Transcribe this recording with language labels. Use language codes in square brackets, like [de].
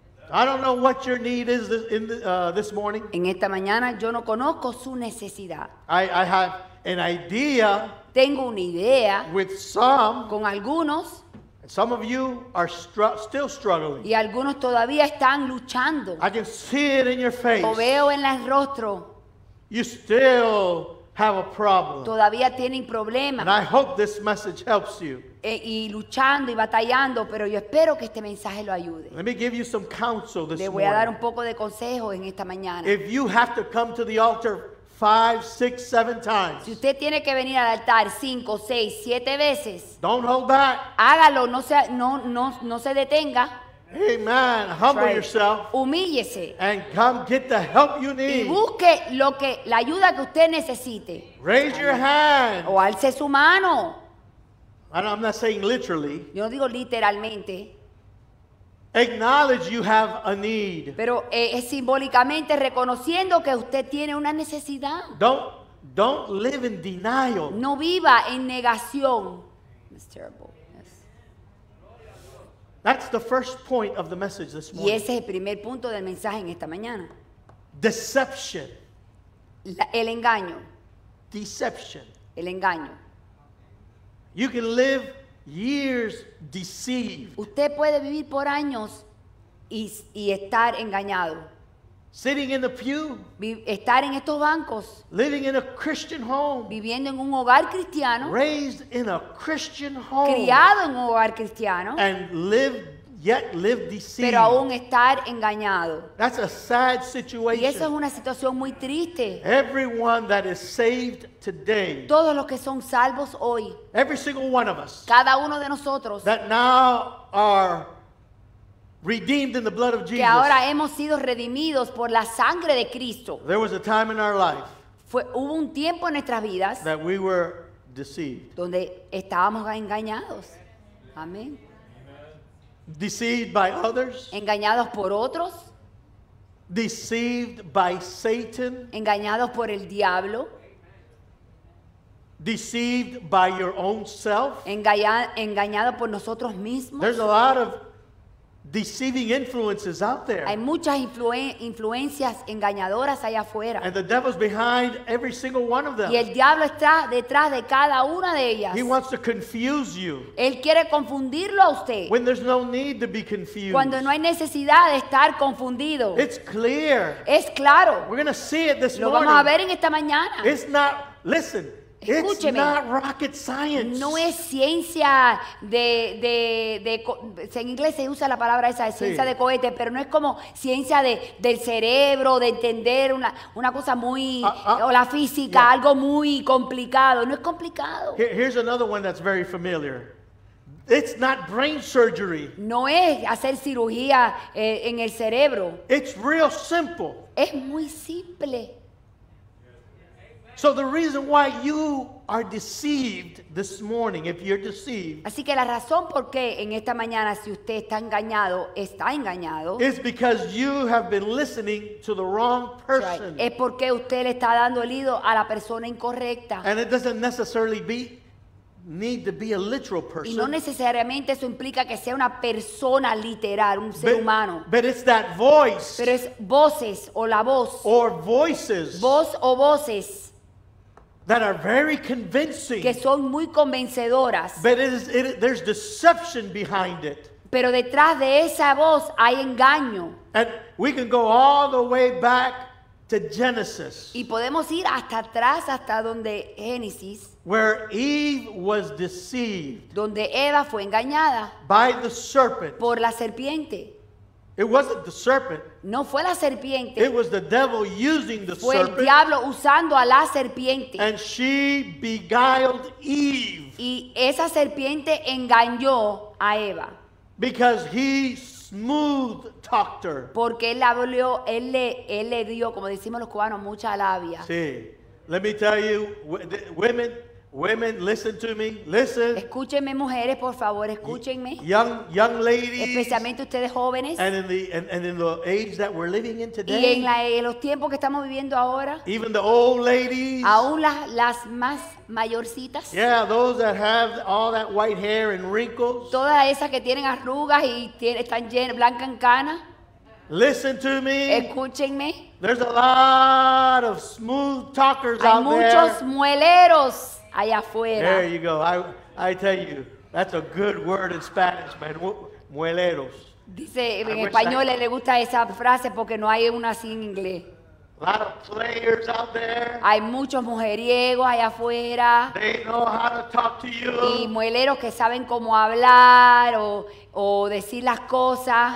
[en] I don't know what your need is this morning. [es] En esta mañana yo no conozco su necesidad. [en] I have an idea. [es] Tengo una idea. [en] With some, [es] con algunos. [en] Some of you are still struggling. [es] Y algunos todavía están luchando. [en] I can see it in your face. [es] Lo veo en el rostro. [en] You still have a problem. [es] Todavía tienen problemas. [en] And I hope this message helps you. [es] Y luchando y batallando, pero yo espero que este mensaje lo ayude. [en] Let me give you some counsel this morning. [es] Le voy a dar un poco de consejo en esta mañana. [en] If you have to come to the altar 5, 6, 7 times. [es] Si usted tiene que venir al altar 5, 6, 7 veces. [en] Don't hold back. [es] Hágalo, no se detenga. [en] Amen. Humble right. Yourself. [es] Humíllese. [en] And come get the help you need. [es] Y busque lo que la ayuda que usted necesite. [en] Raise your hand. [es] O alce su mano. [en] And I'm not saying literally. [es] Yo no digo literalmente. [en] Acknowledge you have a need. [es] Pero es simbólicamente reconociendo que usted tiene una necesidad. [en] Don't live in denial. [es] No viva en negación. [en] That's terrible. Yes. That's the first point of the message this morning. [es] Y ese es el primer punto del mensaje en esta mañana. [en] Deception. [es] El engaño. [en] Deception. [es] El engaño. [en] You can live years deceived. [es] Usted puede vivir por años y estar engañado. [en] Sitting in the pew. [es] Estar en estos bancos. [en] Living in a Christian home. [es] Viviendo en un hogar cristiano. [en] Raised in a Christian home. [es] Criado en un hogar cristiano. [en] And live, yet live deceived. [es] Pero aún estar engañado. [en] That's a sad situation. [es] Y esa es una situación muy triste. [en] Everyone that is saved today. [es] Todos los que son salvos hoy. [en] Every single one of us. [es] Cada uno de nosotros. [en] That now are redeemed in the blood of Jesus. [es] Que ahora hemos sido redimidos por la sangre de Cristo. [en] There was a time in our life. [es] Hubo un tiempo en nuestras vidas. [en] That we were deceived. [es] Donde estábamos engañados. Amén. [en] Deceived by others. [es] Engañados por otros. [en] Deceived by Satan. [es] Engañados por el diablo. [en] Deceived by your own self. [es] Engañado por nosotros mismos. [en] There's a lot of deceiving influences out there. [es] Hay muchas influencias engañadoras allá afuera. [en] And the devil's behind every single one of them. [es] Y el diablo está detrás de cada una de ellas. [en] He wants to confuse you. [es] Él quiere confundirlo a usted. [en] When there's no need to be confused. [es] Cuando no hay necesidad de estar confundido. [en] It's clear. [es] Es claro. [en] We're going to see it this morning. [es] Lo vamos a ver en esta mañana. [en] It's not. Listen. [es] Escúcheme, [en] it's not rocket science. [es] No es ciencia de en inglés se usa la palabra esa, ciencia sí. De cohete, pero no es como ciencia del cerebro, de entender una cosa muy o la física, yeah. Algo muy complicado. No es complicado. [en] Here's another one that's very familiar. It's not brain surgery. [es] No es hacer cirugía en el cerebro. [en] It's real simple. [es] Es muy simple. [en] So the reason why you are deceived this morning, if you're deceived, [es] así que la razón por qué en esta mañana si usted está engañado, [en] is because you have been listening to the wrong person. [es] Es porque usted le está dando oído a la persona incorrecta. [en] And it doesn't necessarily need to be a literal person. [es] Y no necesariamente eso implica que sea una persona literal, un ser humano. [en] But it's that voice. [es] Pero es voces o la voz. [en] Or voices. [es] Voz o voces. [en] That are very convincing. [es] Que son muy convencedoras. [en] But there's deception behind it. [es] Pero detrás de esa voz hay engaño. [en] And we can go all the way back to Genesis. [es] Y podemos ir hasta atrás, hasta donde Génesis. [en] Where Eve was deceived. [es] Donde Eva fue engañada. [en] By the serpent. [es] Por la serpiente. [en] It wasn't the serpent. [es] No fue la serpiente. [en] It was the devil using the [es] fue [en] serpent. [es] Fue el diablo usando a la serpiente. [en] And she beguiled Eve. [es] Y esa serpiente engañó a Eva. [en] Because he smooth talked her. [es] Porque él habló, él le dio, como decimos los cubanos, mucha labia. Sí. [en] Let me tell you, women, listen to me. Listen. [es] Escúchenme, mujeres, por favor, escúchenme. [en] Young ladies. [es] Especialmente ustedes jóvenes. [en] And in the age that we're living in today. [es] Y en los tiempos que estamos viviendo ahora. [en] Even the old ladies. [es] Aún las más mayorcitas. [en] Yeah, those that have all that white hair and wrinkles. [es] Todas esas que tienen arrugas y están llenas blancas en cana. [en] Listen to me. [es] Escúchenme. [en] There's a lot of smooth talkers [es] hay [en] out there. [es] Hay muchos mueleros. Allá afuera. [en] There you go. I tell you, that's a good word in Spanish, man. [es] Mueleros. Dice en español le gusta esa frase porque no hay una así en inglés. [en] A lot of players out there. [es] Hay muchos mujeriegos allá afuera. [en] They know how to talk to you. [es] Y mueleros que saben cómo hablar o decir las cosas.